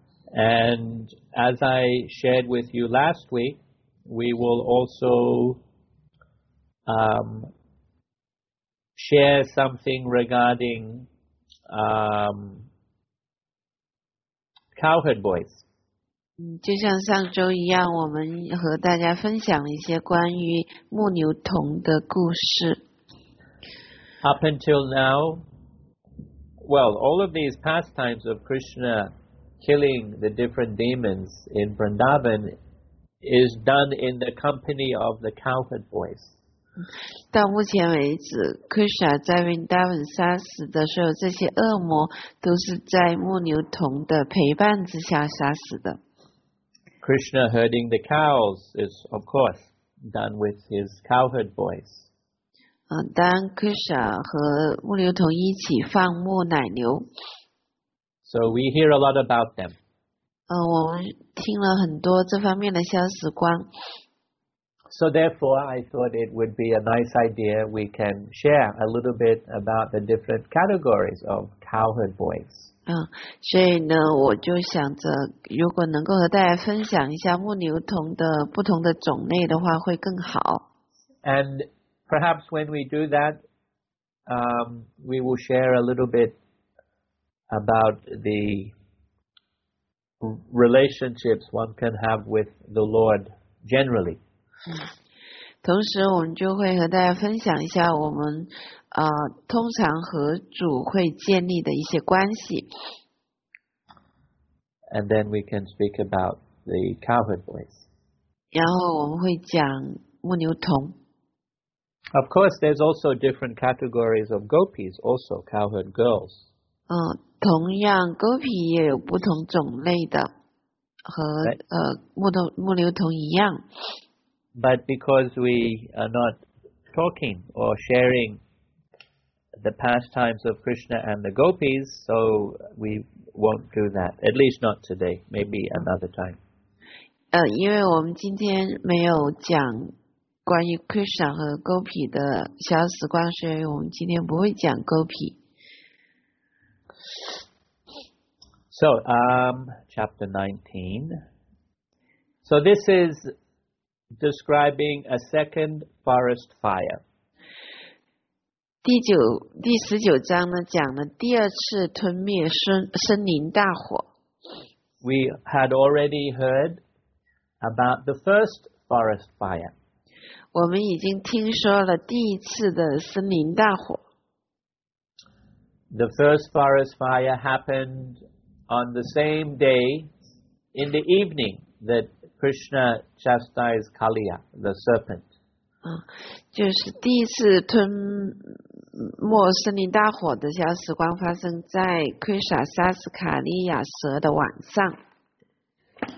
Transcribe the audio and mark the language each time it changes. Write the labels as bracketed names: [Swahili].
[English] And as I shared with you last week, we will also share something regarding cowherd boys. [Chinese] 就像上周一样，我们和大家分享了一些关于牧牛童的故事。 [English] Up until now, well, all of these pastimes of Krishna killing the different demons in Vrindavan is done in the company of the cowherd boys. [Chinese] 到目前为止 ，Krishna 在 Vrindavan 杀死的所有这些恶魔，都是在牧牛童的陪伴之下杀死的。 [English] Krishna herding the cows is, of course, done with his cowherd boys. [Chinese] 当 Krishna 和牧牛童一起放牧奶牛。 [English] So we hear a lot about them. [Chinese] 我们听了很多这方面的消时光。 [English] So therefore, I thought it would be a nice idea we can share a little bit about the different categories of cowherd boys. [Chinese] 所以呢，我就想着，如果能够和大家分享一下牧牛童的不同的种类的话，会更好。 [English] And perhaps when we do that, we will share a little bit about the relationships one can have with the Lord generally. [Chinese] 同时，我们就会和大家分享一下我们通常和主会建立的一些关系。 [English] And then we can speak about the cowherd boys. [Chinese] 然后我们会讲牧牛童。 [English] Of course, there's also different categories of gopis, also cowherd girls. [Chinese] 同样 ，gopi 也有不同种类的，和牧牛童一样。 [English] But because we are not talking or sharing the pastimes of Krishna and the gopis, so we won't do that. At least not today. Maybe another time. [Chinese] 因为我们今天没有讲关于 Krishna 和 gopi 的小时光，所以我们今天不会讲 gopi。 [English] So, chapter 19. So this is describing a second forest fire. [Chinese] 第十九章呢，讲了第二次吞灭森林大火。 [English] We had already heard about the first forest fire. [Chinese] 我们已经听说了第一次的森林大火。 [English] The first forest fire happened on the same day in the evening that Krishna chastised Kaliya, the serpent. [Chinese] 就是第一次吞没森林大火的小时光发生在 Krishna 杀死卡利亚蛇的晚上。